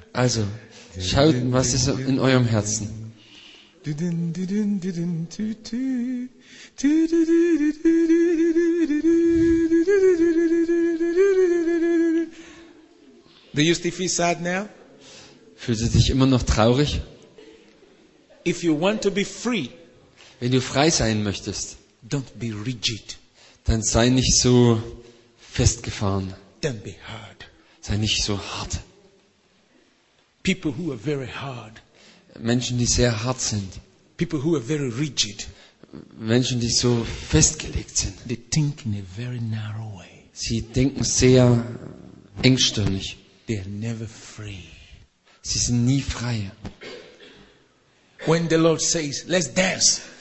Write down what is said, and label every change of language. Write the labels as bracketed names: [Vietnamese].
[German] Also, schaut, was ist in eurem Herzen. [English] Do you still feel sad now? [German] Fühlst du dich immer noch traurig? [English] If you want to be free, [German] wenn du frei sein möchtest, [English] don't be rigid. [German] Dann sei nicht so festgefahren. [English] Don't be hard. [German] Sei nicht so hart. [English] People who are very hard. [German] Menschen, die sehr hart sind. [English] People who are very rigid. [German] Menschen, die so festgelegt sind. [English] They think in a very narrow way. [German] Sie denken sehr engstirnig. [English] They are never free. [German] Sie sind nie frei. [English] When the Lord says, "Let's dance."